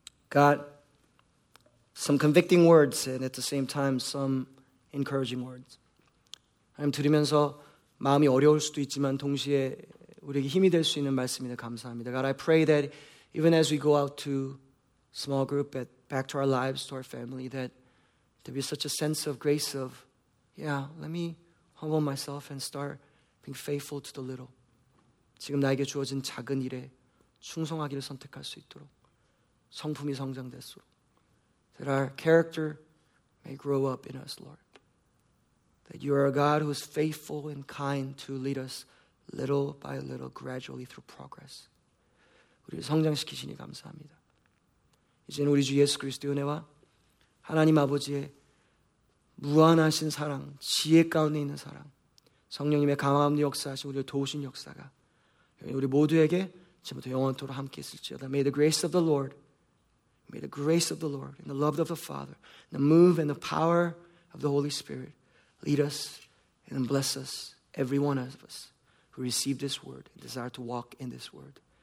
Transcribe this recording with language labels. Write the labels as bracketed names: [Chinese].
[English] God, some convicting words and at the same time some encouraging words. [Korean] 하나님 들으면서 마음이 어려울 수도 있지만 동시에 우리에게 힘이 될 수 있는 말씀입니다. 감사합니다. [English] God, I pray that even as we go out to small group, back to our lives, to our family, that there be such a sense of grace of, yeah, let me humble myself and start being faithful to the little. [Korean] 지금 나에게 주어진 작은 일에 충성하기를 선택할 수 있도록 성품이 성장될수록 [English] that our character may grow up in us, Lord. That you are a God who is faithful and kind to lead us little by little, gradually through progress. [Korean] 우리를 성장시키시니 감사합니다. 이제는 우리 주 예수 그리스도의 은혜와 하나님 아버지의 무한하신 사랑, 지혜 가운데 있는 사랑, 성령님의 감화함으로 역사하신 우리를 도우신 역사가 우리 모두에게 지금부터 영원토록 함께 있을지어다. [English] May the grace of the Lord, may the grace of the Lord, and the love of the Father, and the move and the power of the Holy Spirit lead us and bless us, every one of us who receive this word and desire to walk in this word.